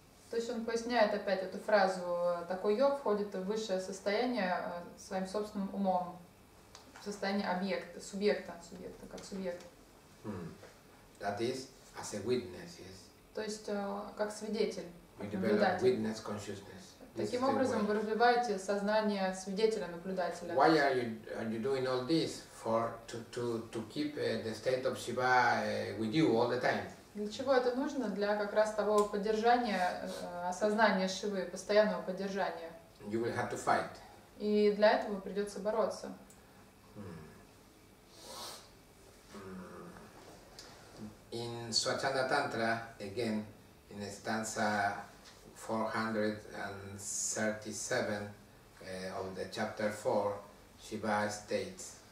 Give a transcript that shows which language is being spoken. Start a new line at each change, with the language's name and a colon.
Russian: То есть он поясняет опять эту фразу. Такой йог входит в высшее состояние своим собственным умом, в состояние объекта, субъекта, как субъект.
English: That is as a witness, yes.
Russian: То есть как свидетель, наблюдатель. Таким образом вы развиваете сознание свидетеля, наблюдателя.
English: Why are you doing all this for to keep the state of Shiva with you all the time?
Russian: Для чего это нужно? Для как раз того поддержания, осознания Шивы, постоянного поддержания.
English: You will have to fight.
Russian: И для этого придется бороться.
English: In Swachanda Tantra, again, in stanza 437 of the chapter 4, Shiva states,